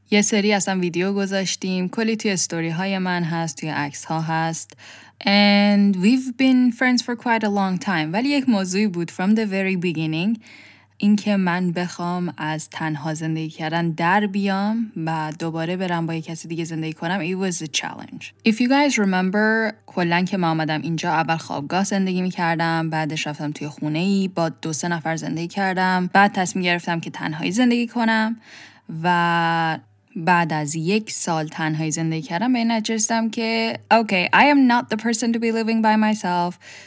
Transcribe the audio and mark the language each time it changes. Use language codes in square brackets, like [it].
[fa] یه سری اصلا ویدیو گذاشتیم، کلی توی استوری های من هست، توی عکس ها هست. [en] And we've been friends for quite a long time. [fa] ولی یک موضوعی بود [en] from the very beginning، [fa] این که من بخوام از تنها زندگی کردن در بیام و دوباره برم با یک کسی دیگه زندگی کنم. [en] It was a challenge. If you guys remember، [fa] کلن که من آمدم اینجا اول خوابگاه زندگی میکردم، بعدش رفتم توی خونه ای با دو سه نفر زندگی کردم، بعد تصمیم گرفتم که تنهایی زندگی کنم و بعد از یک سال تنهایی زندگی کردم به این نتیجه رسیدم که [en] okay, I am not the person to be living by myself.